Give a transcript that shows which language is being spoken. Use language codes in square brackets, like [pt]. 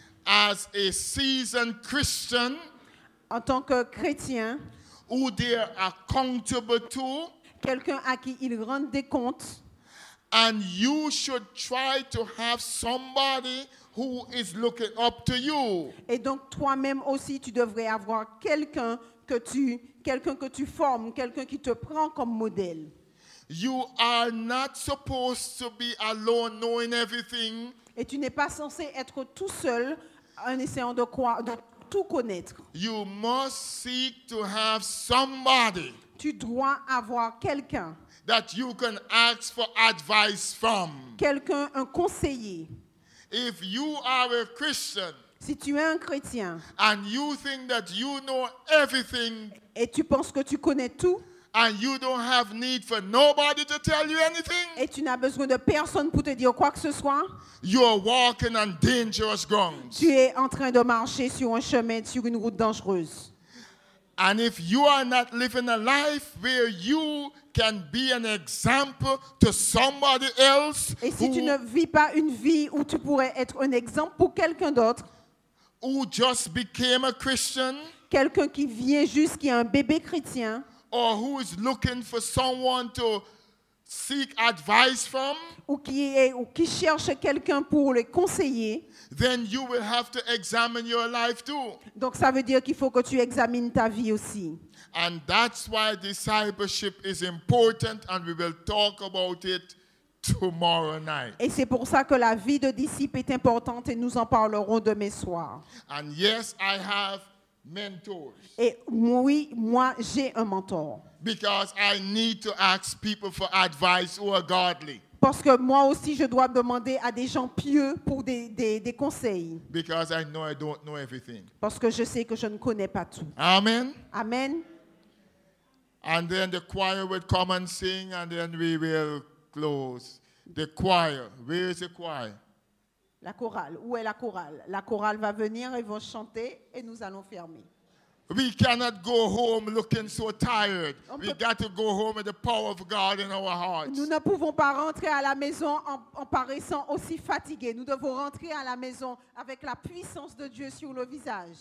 [en] As a seasoned Christian. [fr] En tant que chrétien. [en] Who they are accountable to. [fr] Quelqu'un à qui ils rendent des comptes. [en] And you should try to have somebody who is looking up to you. [fr] Et donc toi-même aussi, tu devrais avoir quelqu'un que tu formes, quelqu'un qui te prend comme modèle. [en] You are not supposed to be alone knowing everything. [fr] Et tu n'es pas censé être tout seul en essayant de croire, de tout connaître. [en] You must seek to have somebody. [fr] Tu dois avoir quelqu'un. [en] That you can ask for advice from. [fr] Quelqu'un, un conseiller. [en] If you are a Christian. [fr] Si tu es un chrétien. [en] And you think that you know everything. [fr] Et tu penses que tu connais tout. [en] And you don't have need for nobody to tell you anything. [fr] Et tu n'as besoin de personne pour te dire quoi que ce soit. [en] You are walking on dangerous ground. [fr] Tu es en train de marcher sur un chemin, sur une route dangereuse. [en] And if you are not living a life where you can be an example to somebody else. [fr] Et si tu ne vis pas une vie où tu pourrais être un exemple pour quelqu'un d'autre. [en] Who just became a Christian. [fr] Quelqu'un qui vient juste, qui est un bébé chrétien. [en] Or who is looking for someone to seek advice from. [fr] Ou qui cherche quelqu'un pour le conseiller. [en] Then you will have to examine your life too. [fr] Donc ça veut dire qu'il faut que tu examines ta vie aussi. [en] And that's why discipleship is important, and we will talk about it tomorrow night. [fr] Et c'est pour ça que la vie de disciple est importante, et nous en parlerons demain soir. [en] And yes, I have mentors. [fr] Et oui, moi j'ai un mentor. [en] Because I need to ask people for advice who are godly. [fr] Parce que moi aussi je dois demander à des gens pieux pour des conseils. [en] Because I know I don't know everything. [fr] Parce que je sais que je ne connais pas tout. [en] Amen. [fr] Amen. [en] And then the choir will come and sing, and then we will close. The choir. Where is the choir? [fr] La chorale. Où est la chorale? La chorale va venir et vont chanter et nous allons fermer. [en] We cannot go home looking so tired. We got to go home with the power of God in our hearts. [fr] Nous ne pouvons pas rentrer à la maison en paraissant aussi fatigués. Nous devons rentrer à la maison avec la puissance de Dieu sur le visage.